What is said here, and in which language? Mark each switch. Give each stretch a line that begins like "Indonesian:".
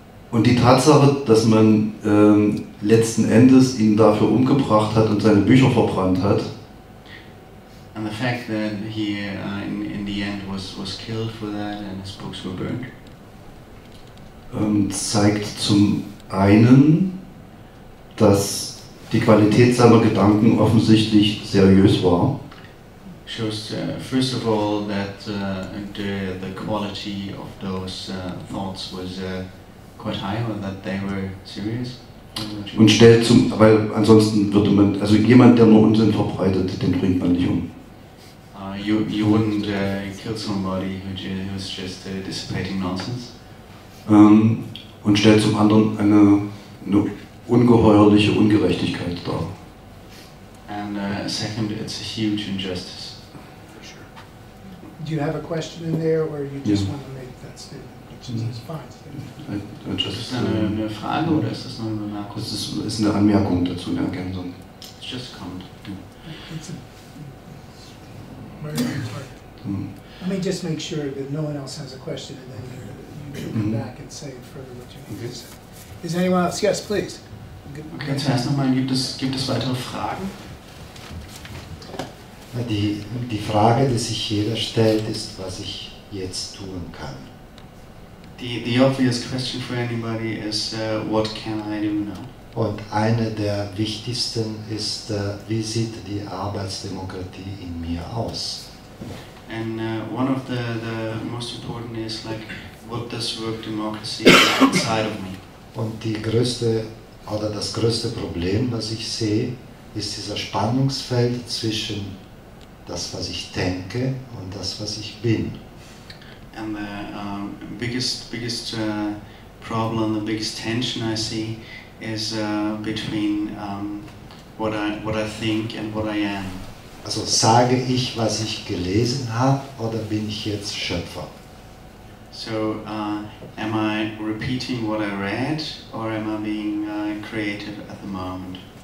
German: Und die Tatsache, dass man letzten Endes ihn dafür umgebracht hat und seine Bücher verbrannt hat,
English: and the fact that he in the end was killed for that and his books were burned,
German: zeigt zum einen, dass die Qualität seiner Gedanken offensichtlich seriös war.
English: Shows first of all that the quality of those thoughts was quite high, or that they were serious.
German: Und stellt zum, weil ansonsten würde man, also jemand, der nur Unsinn verbreitet, den bringt man nicht um.
English: You wouldn't kill somebody who's just dissipating nonsense.
German: Und stellt zum anderen eine ungeheuerliche Ungerechtigkeit dar.
English: And second, it's a huge injustice. Do you have a question in there, or you just want to make that statement? Which is fine.
German: Ist das eine Frage oder ist das nur eine Bemerkung? Das ist eine Anmerkung dazu, eine Ergänzung.
English: It's just a comment. Let me just make sure that no one else has a question, and then you come back and say further what you need to say. Is anyone else? Yes, please.
German: Okay, zuerst nochmal, gibt es weitere Fragen? Die Frage, die sich jeder stellt, ist, was ich jetzt tun kann.
English: The obvious question for anybody is, what can I do now?
German: Und eine der wichtigsten ist, wie sieht die Arbeitsdemokratie in mir aus?
English: And one of the most important is, like, what does work democracy inside of me?
German: Und die größte, oder das größte Problem, was ich sehe, ist dieser Spannungsfeld zwischen das, was ich denke, und das, was ich bin.
English: And the biggest problem, the biggest tension I see is between what I think and what I am.
German: Also sage ich, was ich gelesen habe, oder bin ich jetzt Schöpfer?
English: So am I repeating what I read, or am I being creative at the moment?